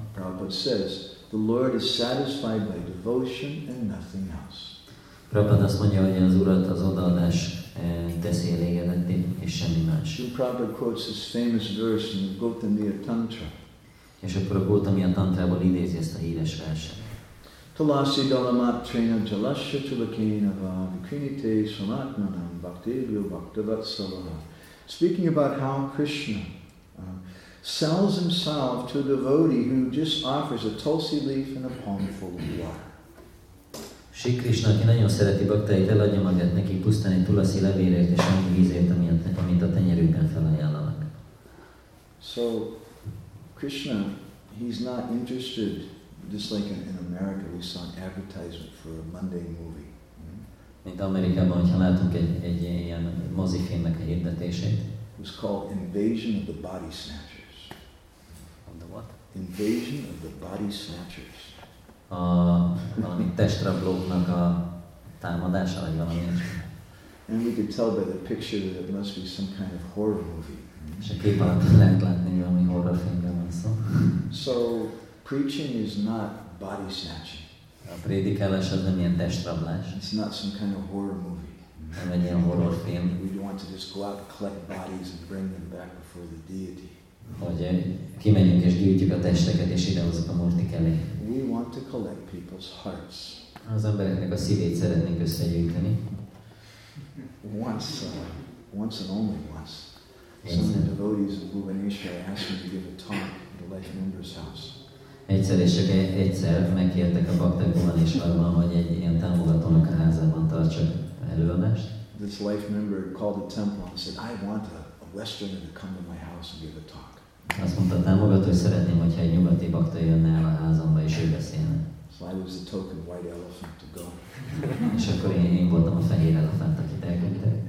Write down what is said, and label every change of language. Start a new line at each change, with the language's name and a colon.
English: Prabhupada says, the Lord is satisfied by devotion and nothing else.
Hungarian: Prabhupada azt mondja, hogy az Urat az odaadás teszi elégedetté, és semmi más.
English: And Prabhupada quotes this famous verse in the Gautamiya Tantra.
Hungarian: És akkor a Gautamiya Tantrából idézi ezt a híres verset.
Sanskrit: Talasi dalamat trena jalasya chulakena vikrinite sanatmanam bhaktivyo bhaktivatsalaha.
English: Speaking about how Krishna sells himself to a devotee who just offers a tulsi leaf and a palm full of water.
Hungarian: Shri Krishna, aki nagyon szereti baktáit, eladja magát neki pusztán egy tulasi levélért és annyi vízért, amit a tenyerükben felajánlanak.
English: So, Krishna, he's not interested, just like in America, we saw an advertisement for a Monday movie.
Hungarian: Mint Amerikában, hogyha látunk egy ilyen mozifilmnek a hirdetését.
English: It was called Invasion of the Body Snatch. Invasion of the body snatchers.
Hungarian: Valami testrablóknak a támadása, vagy valami.
English: And we could tell by the picture that it must be some kind of horror movie.
Hungarian: És a kép alatt lehet látni, hogy valami horror filmben van szó.
English: So preaching is not body snatching.
Hungarian: A prédikálás az nem ilyen testrablás.
English: It's not some kind of horror movie.
Hungarian: Nem egy ilyen horror film.
English: We don't want to just go out and collect bodies and bring them back before the deity.
Hungarian: Hogy kimegyünk és gyűjtjük a testeket és idehozunk a Murti elé.
English: We want to collect people's hearts.
Hungarian: Az embereknek a szívét szeretnénk összegyűjteni.
English: Once and only once.
Hungarian: Egyszer.
English: Some of the devotees of Bhuvanesha asked me to give a talk at the Life Member's house.
Hungarian: Egyszer és csak egyszer megkértek a bakták Bhuvanesharban, hogy egy ilyen támogatónak a házában tartsak előadást.
English: This Life Member called the temple and said, I want a Westerner to come to my house and give a talk.
Hungarian: Azt mondta a támogató, hogy szeretném, hogyha egy nyugati bakta jönne el a házamba, és ő beszélne.
English: So I was the token white elephant to go.
Hungarian: És akkor én voltam a fehér elefánt, akit elküldtek.